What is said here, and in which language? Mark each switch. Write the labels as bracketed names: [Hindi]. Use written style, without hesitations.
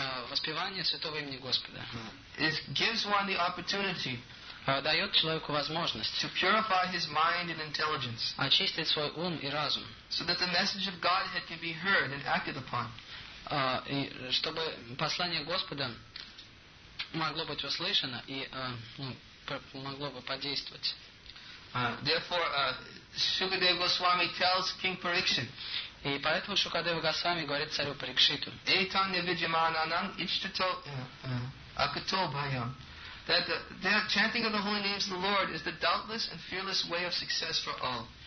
[Russian] Воспевание святого имени Господа. [English] It gives one the opportunity. [Russian] Дает человеку возможность. [English] To purify his mind and intelligence. [Russian] Очистить свой ум и разум. [English] So that the message of Godhead can be heard and acted upon. [Russian] И чтобы послание Господа могло быть услышано и могло бы подействовать. [English] Therefore, Sukadeva Goswami tells King Parikshit. [Russian] И поэтому Шукадева Госвами говорит царю Парикшиту. [Sanskrit] Эйтан невиджимананан ичтито акито бхайам. [English] That the chanting of the holy names of the Lord is the doubtless and fearless way of success for all.